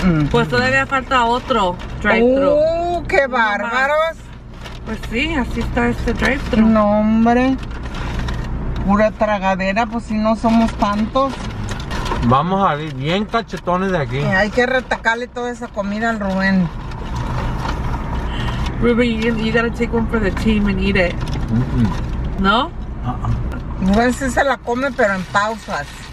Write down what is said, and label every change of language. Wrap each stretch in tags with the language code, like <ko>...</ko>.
<es>Pues todavía falta otro drive-thru. ¡Qué bárbaros! Pues sí, así está este drive-thru. No, hombre. Pura tragadera, pues si no somos tantos. Vamos a ir bien cachetones de aquí. Hay que retacarle toda esa comida al Rubén.</es> <en>Ruben, you gotta take one for the team and eat it.</en> <es>¿No? Rubén sí se la come, pero en pausas.</es>